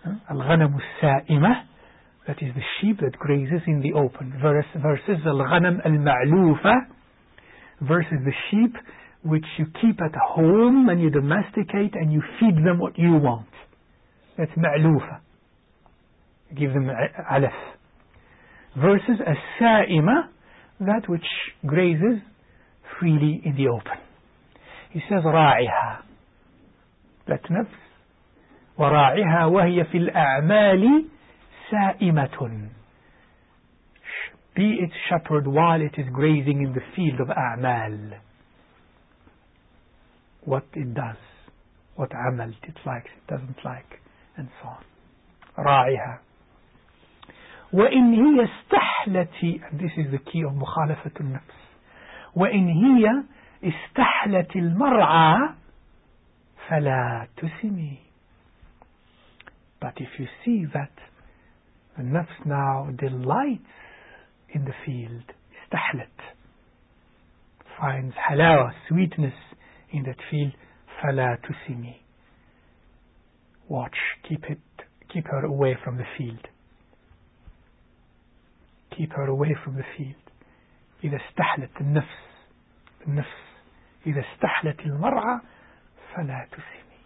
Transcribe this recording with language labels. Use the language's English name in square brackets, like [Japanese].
[Arabic] الغنم السائمة, [English] that is the sheep that grazes in the open, versus [Arabic] الغنم المعلوفة, [English] versus the sheep which you keep at home and you domesticate and you feed them what you want. That's معلوفة. Give them علف. Versus السائمة, that which grazes freely in the open. He says راعها, that نفس. [Arabic] وراعها وهي في الأعمال سائمة. [English] Be its shepherd while it is grazing in the field of أعمال. What it does, what عمل, it likes, it doesn't like, and so on. راعها. [Arabic] وإن هي استحلتي, [English] and this is the key of [Arabic] مخالفة النفس. وإن هي استحلت المرعى فلا تسمي. [English] But if you see that the nafs now delights in the field, استحلت, finds halawa, sweetness in that field, [Arabic] فلا تسمي. [English] Watch, keep her away from the field. Keep her away from the field. [Arabic] إذا استحلت النفس, النفس إذا استحلت المرعى فلا تسمي.